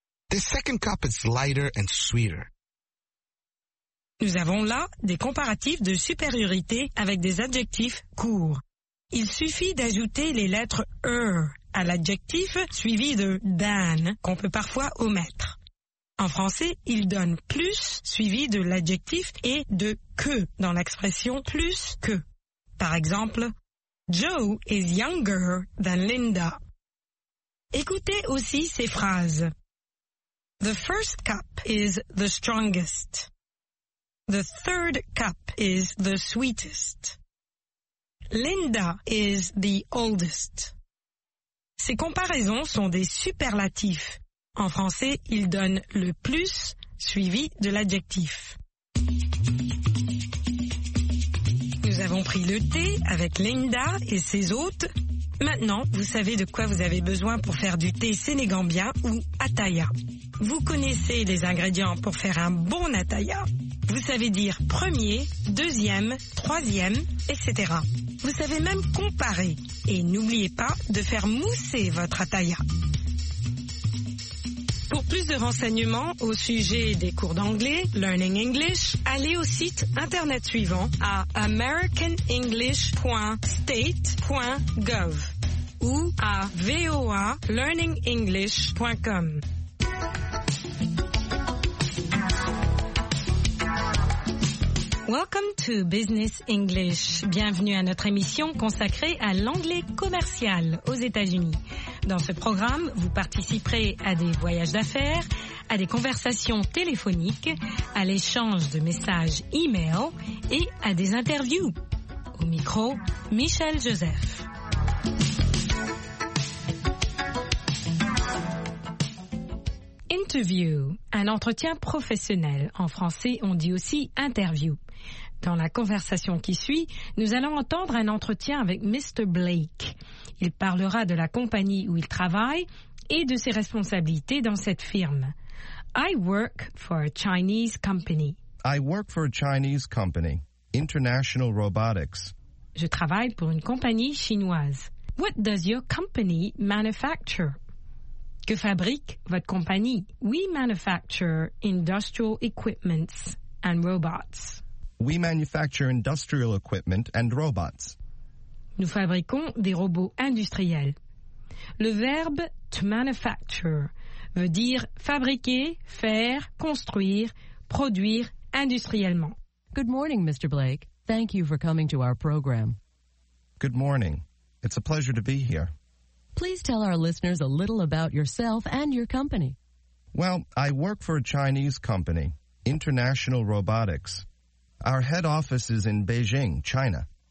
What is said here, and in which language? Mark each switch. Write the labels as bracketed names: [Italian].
[English] The second cup is lighter and sweeter. [French] Nous avons là des comparatifs de supériorité avec des adjectifs courts. Il suffit d'ajouter les lettres er à l'adjectif suivi de than qu'on peut parfois omettre. En français, il donne plus suivi de l'adjectif et de que dans l'expression plus que. Par exemple, [English] Joe is younger than Linda. [French] Écoutez aussi ces phrases. [English] The first cup is the strongest. The third cup is the sweetest. Linda is the oldest. [French] Ces comparaisons sont des superlatifs. En français, ils donnent le plus suivi de l'adjectif. Nous avons pris le thé avec Linda et ses hôtes. Maintenant, vous savez de quoi vous avez besoin pour faire du thé sénégambien ou ataya. Vous connaissez les ingrédients pour faire un bon ataya. Vous savez dire premier, deuxième, troisième, etc. Vous savez même comparer. Et n'oubliez pas de faire mousser votre ataya. Pour plus de renseignements au sujet des cours d'anglais, Learning English, allez au site internet suivant à americanenglish.state.gov ou à voalearningenglish.com. [English] Welcome to Business English. [French] Bienvenue à notre émission consacrée à l'anglais commercial aux États-Unis. Dans ce programme, vous participerez à des voyages d'affaires, à des conversations téléphoniques, à l'échange de messages e-mail et à des interviews. Au micro, Michel Joseph. Interview, un entretien professionnel. En français, on dit aussi interview. Dans la conversation qui suit, nous allons entendre un entretien avec Mr. Blake. Il parlera de la compagnie où il travaille et de ses responsabilités dans cette firme. [English] I work for a Chinese company. I work for a Chinese company, International Robotics. [French] Je travaille pour une compagnie chinoise. [English] What does your company manufacture? [French] Que fabrique votre compagnie? [English] We manufacture industrial equipments and robots. We manufacture industrial equipment and robots. [French] Nous fabriquons des robots industriels. Le verbe to manufacture veut dire fabriquer, faire, construire, produire industriellement. [English] Good morning, Mr. Blake. Thank you for coming to our program. Good morning. It's a pleasure to be here. Please tell our listeners a little about yourself and your company. Well, I work for a Chinese company, International Robotics. Our head office is in Beijing, China.